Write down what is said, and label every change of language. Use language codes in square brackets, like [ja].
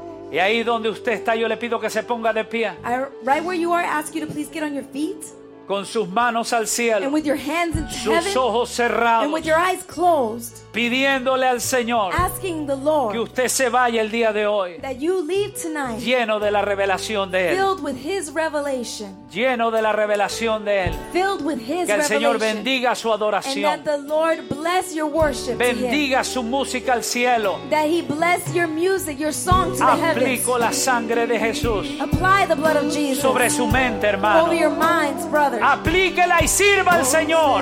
[es] Y ahí donde usted está, yo le pido que se ponga de pie. [en] I, right where you are, I ask you to please get on your feet. [es] Con sus manos al cielo. [en] And with your hands in [es] sus [en] heaven. [es] Sus ojos cerrados. [en] And with your eyes closed. [es] Pidiéndole al Señor. [en] Asking the Lord. [es] Que usted se vaya el día de hoy. [en] That you leave tonight. [es] Lleno de la revelación de él. [en] Filled with his revelation. [es] Lleno de la revelación de él. [en] Filled with his revelation. [es] Que el Señor bendiga su adoración. [en] And that the Lord bless your worship. [es] Bendiga su música al cielo. [en] That he bless your music, your song to the heavens. [es] Aplico la sangre de Jesús. [en] Apply the blood of Jesus. [es] Sobre su mente, hermano. [en] Over your minds, brother. [es] Aplíquela y sirva al Señor.